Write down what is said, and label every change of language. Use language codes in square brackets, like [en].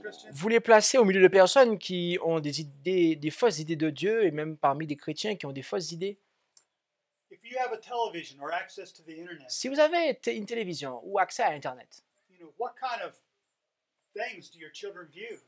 [fr] Vous les placez au milieu de personnes qui ont des idées, des fausses idées de Dieu, et même parmi des chrétiens qui ont des fausses idées. [en] If you have a television or access to the internet, [fr] si vous avez une télévision ou accès à Internet, [en] you know, what kind of things do your children view?